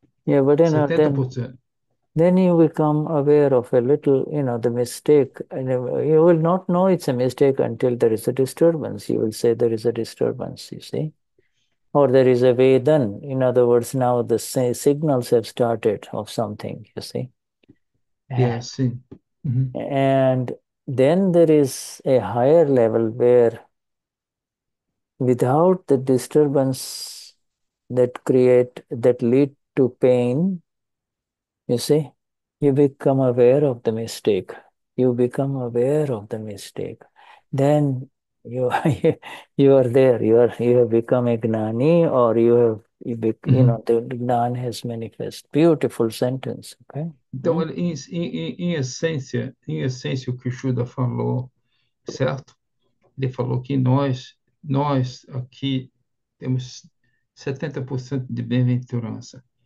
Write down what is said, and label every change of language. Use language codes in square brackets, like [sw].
[en] Yeah, but you know then. 70%. Then you become aware of a little, the mistake. You will not know it's a mistake until there is a disturbance. You will say there is a disturbance, you see. Or there is a Vedan. In other words, now the signals have started of something, you see. Yeah, sim. And then there is a higher level where without the disturbance that lead to pain, You see, you become aware of the mistake. You become aware of the mistake. Then you are there. You have become a gnani, or the gnana has manifest. Beautiful sentence. Okay. [pt] Então, em essência, o que o Shuddha falou, certo? Ele falou que nós aqui temos 70% de bem-aventurança.